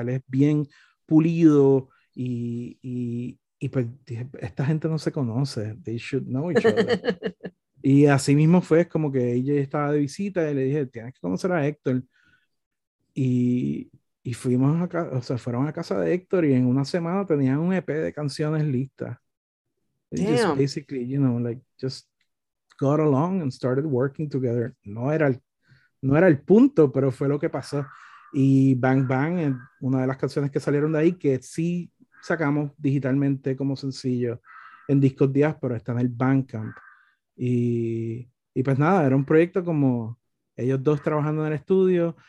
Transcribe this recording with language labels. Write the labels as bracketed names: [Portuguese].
[Spanish] Él es bien pulido y pues dije, esta gente no se conoce, [English] they should know each other. [Spanish] Y así mismo fue, es como que ella estaba de visita y le dije, tienes que conocer a Héctor. Y fuimos a casa, o sea, fueron a casa de Héctor y en una semana tenían un EP de canciones listas. [English] Just basically, you know, like, just got along and started working together. [Spanish] No era el punto, pero fue lo que pasó. Y Bang Bang, una de las canciones que salieron de ahí, que sí sacamos digitalmente como sencillo en Discos Diáspora, está en el Bandcamp. Y pues nada, era un proyecto como ellos dos trabajando en el estudio.